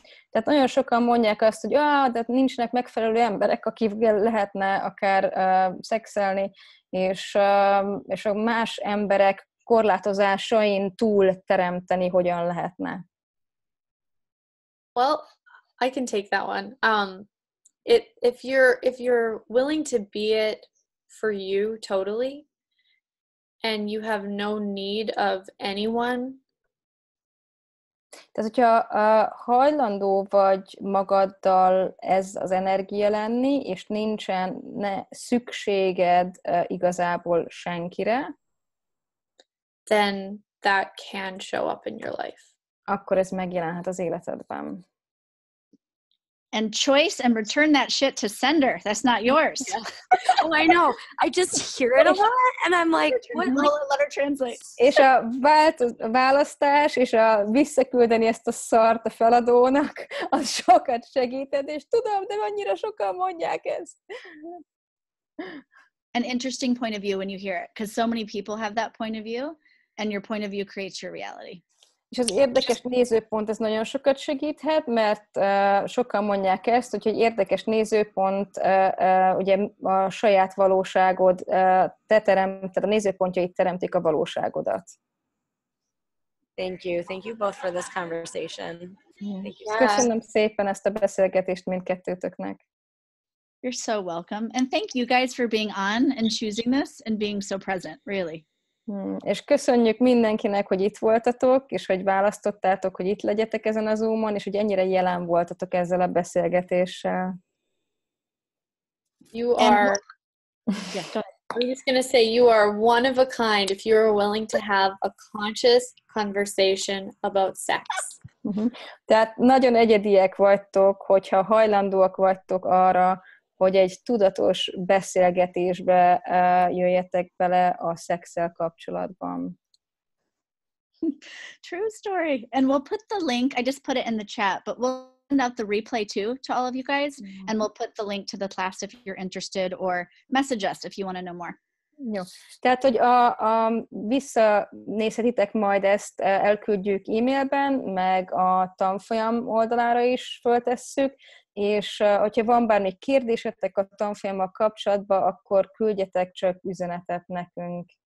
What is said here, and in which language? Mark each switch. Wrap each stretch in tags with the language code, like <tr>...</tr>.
<hu>Tehát nagyon sokan mondják azt, hogy de nincsenek megfelelő emberek, akikkel lehetne akár szexelni, és a más emberek korlátozásain túl teremteni, hogyan lehetne.</hu> <en>Well, I can take that one. If you're willing to be it for you totally, and you have no need of anyone.</en> <hu>Tehát, hogyha hajlandó vagy magaddal ez az energia lenni, és nincsen szükséged igazából senkire,</hu> <en>then that can show up in your life.</en> <hu>Akkor ez megjelenhet az életedben.</hu> <en>And choice and return that shit to sender. That's not yours. Yeah. Oh, I know. I just hear it a lot and I'm like, what? Let her translate.</en> <hu>És a választás és a visszaküldeni ezt a szart a feladónak, az sokat segíted, és tudom, de annyira sokan mondják ezt.</hu> <en>An interesting point of view when you hear it, because so many people have that point of view, and your point of view creates your reality.</en> <hu>És az érdekes nézőpont, ez nagyon sokat segíthet, mert sokan mondják ezt, hogy egy érdekes nézőpont, ugye a saját valóságod, te teremted, a nézőpontjait teremtik a valóságodat.</hu> <en>Thank you both for this conversation. Yeah.</en> <hu>Köszönöm szépen ezt a beszélgetést mindkettőtöknek.</hu> <en>You're so welcome. And thank you guys for being on and choosing this and being so present, really.</en> <hu>És köszönjük mindenkinek, hogy itt voltatok, és hogy választottátok, hogy itt legyetek ezen a Zoomon, és hogy ennyire jelen voltatok ezzel a beszélgetéssel.</hu> <en>You are... I'm just gonna say, you are one of a kind if you are willing to have a conscious conversation about sex.</en> <hu>Tehát nagyon egyediek vagytok, hogyha hajlandóak vagytok arra, hogy egy tudatos beszélgetésbe jöjjetek bele a szexel kapcsolatban.</hu> <en>True story. And we'll put the link, I just put it in the chat, but we'll send out the replay too to all of you guys, and we'll put the link to the class if you're interested, or message us if you want to know more.</en> <hu>Jó. Tehát, hogy a visszanézhetitek majd ezt, elküldjük e-mailben, meg a tanfolyam oldalára is föltesszük, és hogyha van bármi kérdésetek a tanfolyammal kapcsolatban, akkor küldjetek csak üzenetet nekünk.</hu>